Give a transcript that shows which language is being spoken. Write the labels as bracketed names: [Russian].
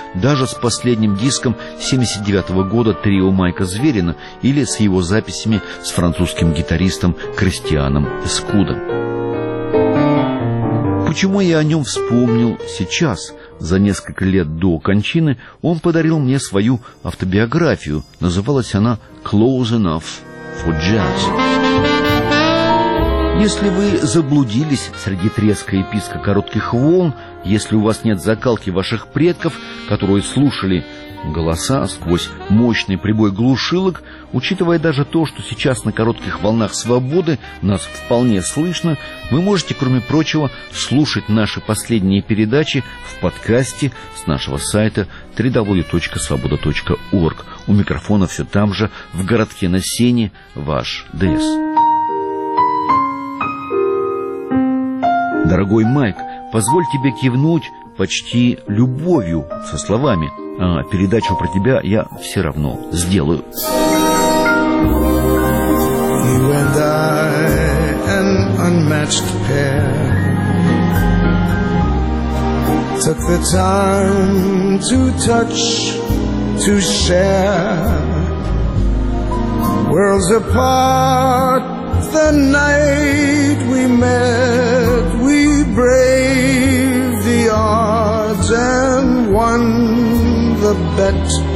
[Russian] Даже с последним диском 79-го года трио Майка Зверина или с его записями с французским гитаристом Кристианом Эскудо. Почему я о нем вспомнил сейчас? За несколько лет до кончины он подарил мне свою автобиографию. Называлась она «Close Enough for Jazz». Если вы заблудились среди треска и писка коротких волн, если у вас нет закалки ваших предков, которые слушали голоса сквозь мощный прибой глушилок, учитывая даже то, что сейчас на коротких волнах свободы нас вполне слышно, вы можете, кроме прочего, слушать наши последние передачи в подкасте с нашего сайта www.svoboda.org. У микрофона все там же, в городке на Сене, ваш ДС. Дорогой Майк, позволь тебе кивнуть почти любовью со словами, а передачу про тебя я все равно сделаю. [English] You and I, an unmatched pair, took the time to touch, to share, worlds apart, the night we met, we braved the odds and won the bet.